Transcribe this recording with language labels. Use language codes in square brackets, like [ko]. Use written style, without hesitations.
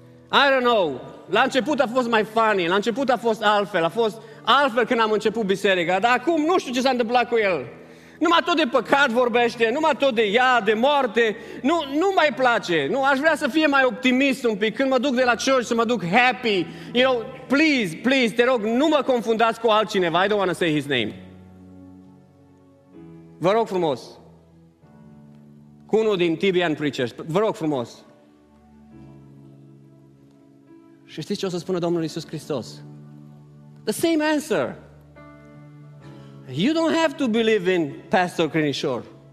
[en] I don't know, [ro] la început a fost mai funny, la început a fost altfel, a fost altfel când am început biserica, dar acum nu știu ce s-a întâmplat cu el. Numai tot de păcat vorbește, numai tot de ea, de moarte, nu mai place. Nu, aș vrea să fie mai optimist un pic, când mă duc de la church să mă duc happy. [en] You know, please, please, [ro] te rog, nu mă confundați cu altcineva, [en] I don't want to say his name. [ro] Vă rog frumos, cu unul din TBN Preachers, vă rog frumos. Și știți ce o să spună Domnul Iisus Hristos? [en] The same answer. You don't have to believe in Pastor Crinișor.